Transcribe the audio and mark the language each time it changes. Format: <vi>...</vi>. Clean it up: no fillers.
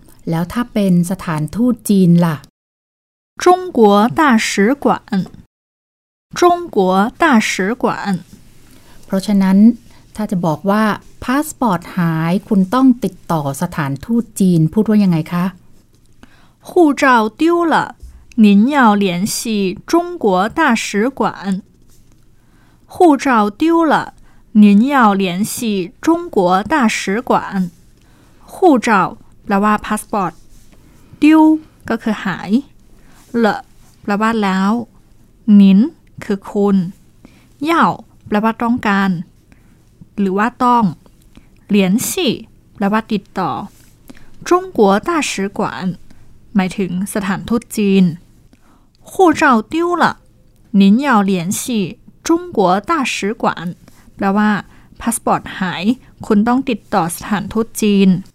<th>แล้วถ้าเป็นสถานทูตจีนล่ะ</th> <zh>中国大使館中国大使館</zh> <th>เพราะฉะนั้นถ้าจะบอกว่าพาสปอร์ตหายคุณต้องติดต่อสถานทูตจีนพูดว่ายังไงคะ</th> <zh>护照丢了，您要联系中国大使馆。护照丢了，您要联系中国大使馆。</zh> <th>护照แปลว่า passport丢ก็คือหาย了แปลว่าแล้ว您คือคุณ要แปลว่าต้องการ หรือว่าต้อง联系แปลว่าติดต่อ中国大使馆หมายถึงสถานทูตจีน</th> <zh>护照丢了您要联系中国大使馆</zh> <th>แปลว่าพาสปอร์ตหายคุณต้องติดต่อสถานทูตจีน</th>